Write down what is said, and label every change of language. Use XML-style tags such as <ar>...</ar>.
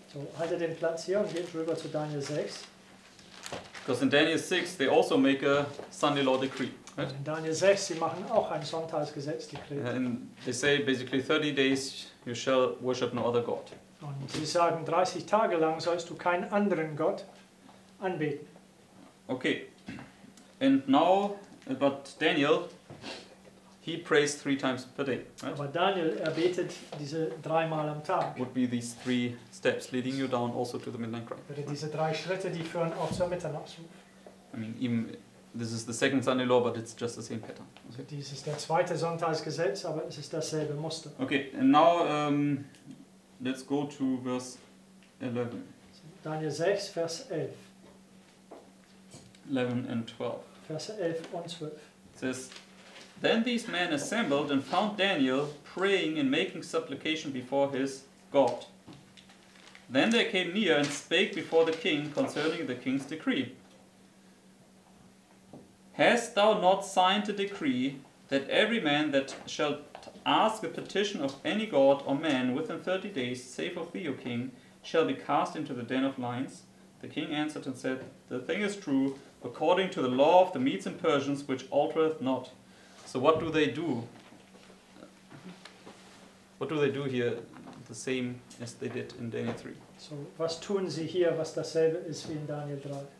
<de>So, halte den Platz hier und geht rüber zu Daniel 6.</de> <en>Because in Daniel 6 they also make a Sunday law decree. Right?</en> <de>In Daniel 6 sie machen auch ein Sonntagsgesetzdekret.</de> <en>And they say basically 30 days you shall worship no other god.</en> <de>Und sie sagen 30 Tage lang sollst du keinen anderen Gott anbeten.</de> <en>Okay. And now, but Daniel, he prays three times per day. Right?</en> <de>Aber Daniel, betet diese dreimal am Tag.</de> <en>Would be these three steps leading you down also to the midnight cry. Right?</en> <de>Diese drei Schritte, die führen auch zur Mitternachtsruf.</de> <en>I mean, even, this is the second Sunday law, but it's just the same pattern. Okay.</en> <de>Dies ist der zweite Sonntagsgesetz, aber es ist dasselbe Muster.</de> <en>Okay, and now let's go to verse 11.</en> <de>Daniel 6, Vers 11.</de> <en>11 and 12.</en> <de>Vers 11 und 12.</de> <en>It says, then these men assembled and found Daniel praying and making supplication before his God. Then they came near and spake before the king concerning the king's decree. Hast thou not signed a decree that every man that shall ask a petition of any god or man within 30 days, save of thee, O king, shall be cast into the den of lions? The king answered and said, the thing is true, according to the law of the Medes and Persians, which altereth not. So what do they do? What do they do here, the same as they did in Daniel 3?</en> <de>So, was tun sie hier, was dasselbe ist wie in Daniel 3?</de>